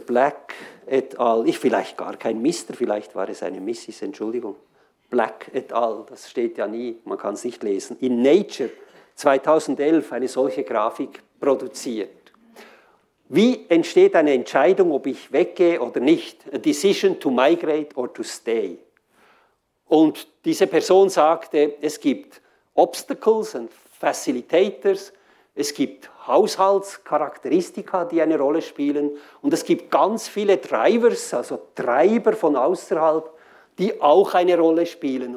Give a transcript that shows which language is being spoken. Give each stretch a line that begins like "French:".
German: Black et al., vielleicht gar kein Mr., vielleicht war es eine Mrs., Entschuldigung, Black et al., das steht ja nie, man kann es nicht lesen, in Nature 2011 eine solche Grafik produziert. Wie entsteht eine Entscheidung, ob ich weggehe oder nicht?
English: A decision to migrate or to stay.
German: Und diese Person sagte, es gibt
English: Obstacles and Facilitators,
German: es gibt Haushaltscharakteristika, die eine Rolle spielen und es gibt ganz viele Drivers, also Treiber von außerhalb, die auch eine Rolle spielen.